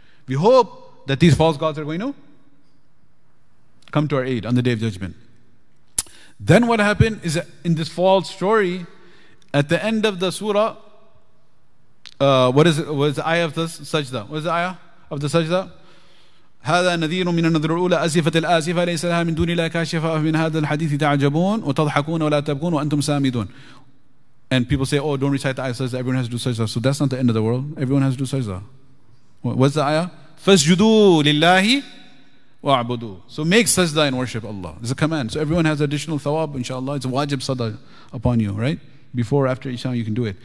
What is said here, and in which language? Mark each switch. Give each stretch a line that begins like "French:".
English: We hope that these false gods are going to come to our aid on the day of judgment. Then what happened is that in this false story, at the end of the surah, what is the ayah of the sajda? What is the ayah of the sajda?
Arabic: هذا نذير من النذر الأولى أزفت الآزفة ليس لها من دون الله كاشفة من هذا الحديث تعجبون وتضحكون ولا تبكون وأنتم سامدون.
English: And people say, oh, don't recite the ayah of sajda, everyone has to do sajda. So that's not the end of the world. Everyone has to do sajda. What's the ayah?
Arabic: فَسْجُدُوا لِلَّهِ وَاعْبُدُوا.
English: So make sajda and worship Allah. It's a command. So everyone has additional thawab, inshallah. It's a wajib sajda upon you, right? Before, after Isha, you can do it.